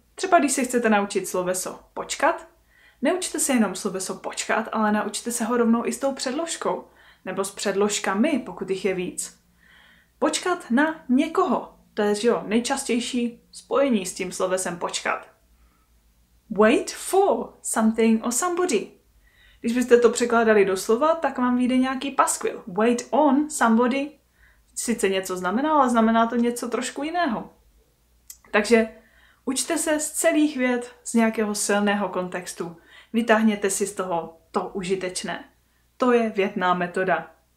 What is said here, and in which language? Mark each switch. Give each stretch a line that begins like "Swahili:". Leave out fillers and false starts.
Czech: Třeba když se chcete naučit sloveso počkat, neučte se jenom sloveso počkat, ale naučte se ho rovnou i s tou předložkou, nebo s předložkami, pokud jich je víc. Počkat na někoho, to je, že jo, nejčastější spojení s tím slovesem počkat.
English: Wait for something or somebody.
Czech: Když byste to překládali do slova, tak vám vyjde nějaký paskvil.
English: Wait on somebody
Czech: sice něco znamená, ale znamená to něco trošku jiného. Takže učte se z celých vět, z nějakého silného kontextu. Vytáhněte si z toho to užitečné. To je větná metoda.